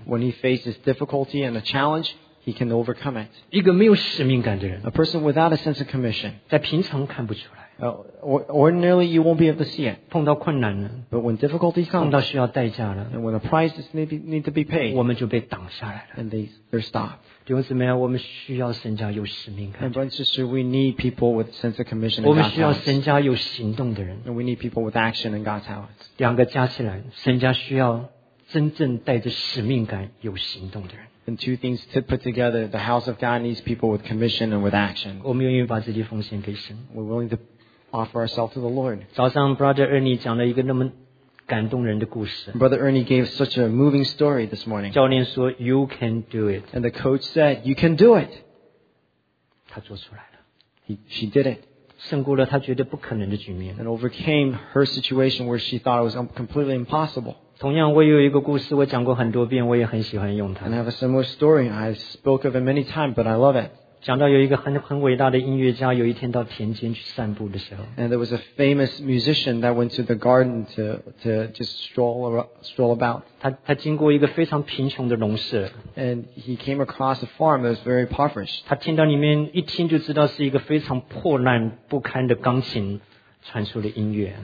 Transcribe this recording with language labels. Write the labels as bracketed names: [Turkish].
[English] When he faces difficulty and a challenge, he can overcome it. [Chinese] 一个没有使命感的人， [English] a person without a sense of commission, [Chinese] 在平常看不出来。 [English] Ordinarily, you won't be able to see it. [Chinese] 碰到困难了， [English] but when difficulty comes, [Chinese] 碰到需要代价了， [English] and when the price is need to be paid, [Chinese] 我们就被挡下来了。 [English] And they're stopped. [Chinese] 弟兄姊妹，我们需要神家有使命感。 [English] And brothers and sisters, we need people with sense of commission. [Chinese] 我们需要神家有行动的人。 [English] And we need people with action and God's talents. [Chinese] 两个加起来，神家需要真正带着使命感有行动的人。 [English] And two things to put together, the house of God needs people with commission and with action. [Chinese] 我们愿意把自己奉献给神。 [English] We're willing to offer ourselves to the Lord. [Chinese] 早上 Brother Ernie 讲了一个那么感动人的故事。 [English] Brother Ernie gave such a moving story this morning. [Chinese] 教练说 [English] ,You can do it. And the coach said, You can do it. [Chinese] 他做出来了。 [English] She did it. [Chinese] 胜过了他觉得不可能的局面。 [English] And overcame her situation where she thought it was completely impossible. [Chinese] 同样我有一个故事我讲过很多遍我也很喜欢用它。 [English] And I have a similar story. I spoke of it many times, but I love it. [Chinese] 讲到有一个 很伟大的音乐家有一天到田间去散步的时候。 [English] And there was a famous musician that went to the garden to just stroll about. [Chinese] 他经过一个非常贫穷的农舍。 [English] And he came across a farm that was very impoverished. [Chinese] 他听到里面一听就知道是一个非常破烂不堪的钢琴传出的音乐。